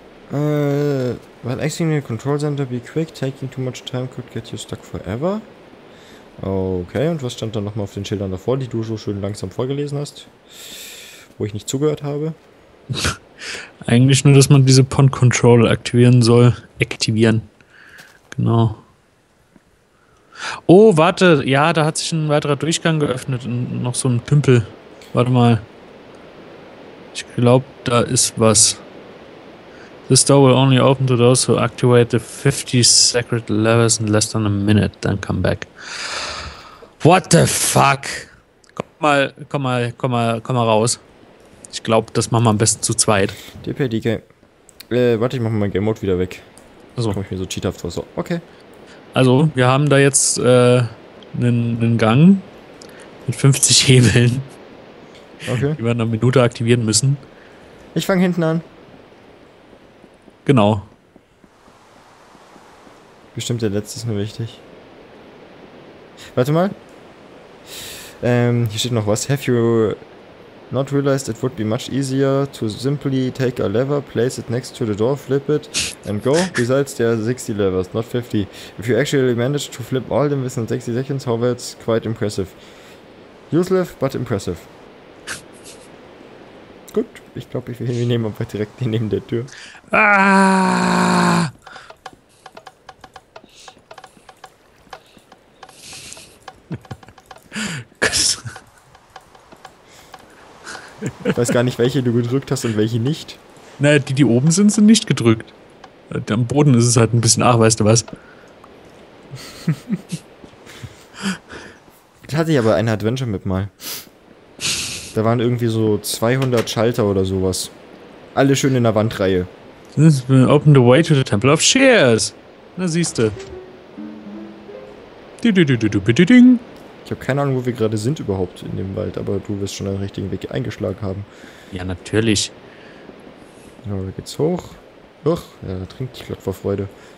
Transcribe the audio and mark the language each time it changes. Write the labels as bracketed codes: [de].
[en] While accessing the control center, be quick, taking too much time could get you stuck forever. [de] Okay, und was stand da nochmal auf den Schildern davor, die du so schön langsam vorgelesen hast, wo ich nicht zugehört habe? Eigentlich nur, dass man diese Pond Control aktivieren soll. Aktivieren. Genau. Oh, warte, ja, da hat sich ein weiterer Durchgang geöffnet und noch so ein Tümpel. Warte mal. Ich glaube, da ist was. [en] This door will only open to those who activate the 50 sacred levers in less than a minute, then come back. What the fuck? [de] Komm mal raus. Ich glaube, das machen wir am besten zu zweit. DPDK. Warte, ich mach mal mein Game Mode wieder weg. Also komme ich mir so cheathaft vor. So. Okay. Also, wir haben da jetzt einen Gang mit 50 Hebeln. Okay. Die wir in einer Minute aktivieren müssen. Ich fange hinten an. Genau. Bestimmt der letzte ist mir wichtig. Warte mal. Hier steht noch was. [en] Have you not realized it would be much easier to simply take a lever, place it next to the door, flip it and go? Besides, there are 60 levers, not 50. If you actually manage to flip all them within 60 seconds, how that's quite impressive. Useless, but impressive. [de] Gut, ich glaube, wir nehmen aber direkt die neben der Tür. Ah! Ich weiß gar nicht, welche du gedrückt hast und welche nicht. Naja, die oben sind, sind nicht gedrückt. Am Boden ist es halt ein bisschen ach, weißt du was? Da hatte ich aber ein Adventure mit mal. Da waren irgendwie so 200 Schalter oder sowas. Alle schön in der Wandreihe. [en] Open the way to the Temple of Shears. [de] Na siehste. Ding. Ich habe keine Ahnung, wo wir gerade sind überhaupt in dem Wald, aber du wirst schon einen richtigen Weg eingeschlagen haben. Ja, natürlich. So, da geht's hoch. Ach, ja, da trinkt die Klopfer vor Freude.